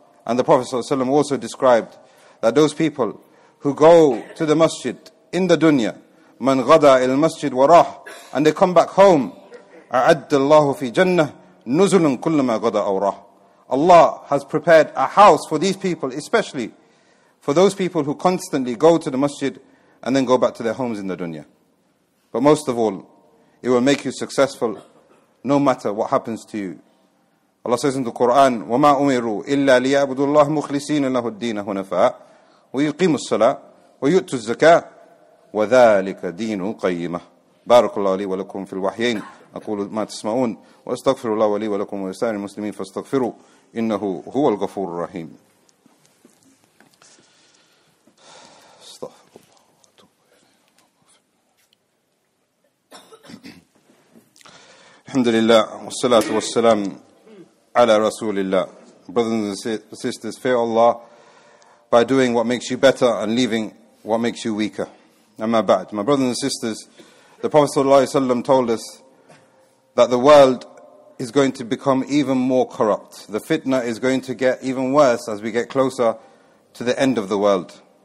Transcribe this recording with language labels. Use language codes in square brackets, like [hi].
[en] And the Prophet ﷺ also described that those people who go to the masjid in the dunya, [ar] man ghada il masjid warah, [en] and they come back home, [ar] a'adda Allahu fi jannah nuzulun kullama ghada awrah. [en] Allah has prepared a house for these people, especially for those people who constantly go to the masjid and then go back to their homes in the dunya. But most of all, it will make you successful no matter what happens to you. Allah says in the Quran, [ar] وَمَا أُمِرُوا إِلَّا لِيَعْبُدُ اللَّهُ مُخْلِصِينَ لَهُ الدِّينَ هُنَفَاءَ وَيُقِيمُ الصَّلَاةَ وَيُؤْتُ الزَّكَاةَ وَذَلِكَ دِينُ قَيِّمَةَ بارك الله لي ولكم في الوحيين أقول ما تسمعون وأستغفر الله لي ولكم ولسائر المسلمين فاستغفروا إنه هو الغفور الرحيم. الحمد لله والصلاة والسلام على رسول الله. [en] Brothers and sisters, fear Allah by doing what makes you better and leaving what makes you weaker. Amma ba'd. My brothers and sisters, the Prophet sallallahu alaihi wasallam told us that the world is going to become even more corrupt. The fitna is going to get even worse as we get closer to the end of the world.